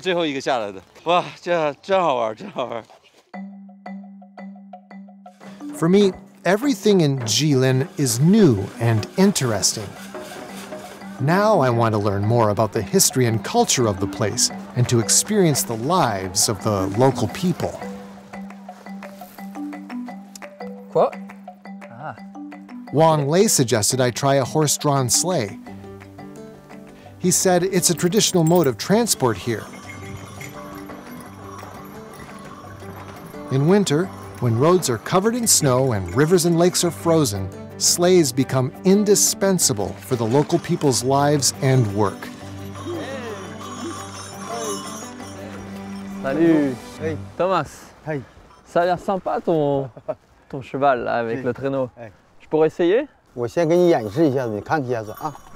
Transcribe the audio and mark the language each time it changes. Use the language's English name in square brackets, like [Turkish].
[Chinese] 滑了三公里的雪地爬犁，虽然两个把手控制左右方向，但是有的地方特别快，根本没法控制。我觉得他们都特别厉害，细微的调整超级棒，我还是最后一个下来的。哇，这真好玩，真好玩！ [English] For me, everything in Jilin is new and interesting. Now I want to learn more about the history and culture of the place and to experience the lives of the local people. [French] Quoi? Ah. [English] Wang Lei suggested I try a horse-drawn sleigh. He said it's a traditional mode of transport here. In winter, When roads are covered in snow and rivers and lakes are frozen, sleighs become indispensable for the local people's lives and work. [French] Salut. [English] Hey. [French] Thomas. [English] Hey. [French] Ça a l'air sympa ton cheval là, avec le traîneau. [English] Hey. [French] Je pourrais essayer? [Chinese] 我先给你演示一下子，你看一下子啊。